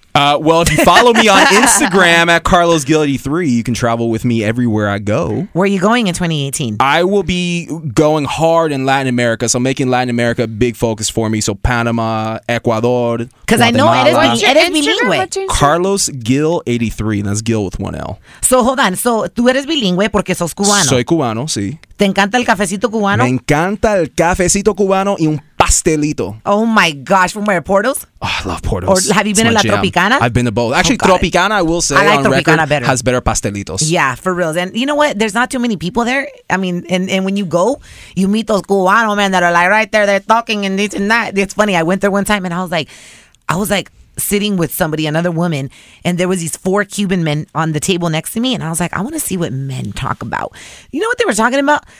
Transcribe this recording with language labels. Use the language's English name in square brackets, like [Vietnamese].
[English] Well, if you follow me on Instagram at CarlosGillity3, you can travel with me everywhere I go. Where are you going in 2018? I will be going hard in Latin America, so I'm making Latin America a big focus for me. So Panama, Ecuador, because I know [Spanish] eres bilingüe. [English] CarlosGill83, and that's Gil with one L. So hold on. [Spanish] So tú eres bilingüe porque sos cubano. Soy cubano, sí. ¿Te encanta el cafecito cubano? Me encanta el cafecito cubano y un pastelito. [English] Oh my gosh, from where? Portos? Oh, I love Portos. Or have you been in La Tropicana? I've been to both. Actually, Tropicana, I will say, I like on Tropicana record, better. Has better pastelitos. Yeah, for real. And you know what? There's not too many people there. I mean, and when you go, you meet those cubano men that are like right there, they're talking and this and that. It's funny. I went there one time and I was like sitting with somebody, another woman, and there was these four Cuban men on the table next to me, and I was like, I want to see what men talk about. You know what they were talking about?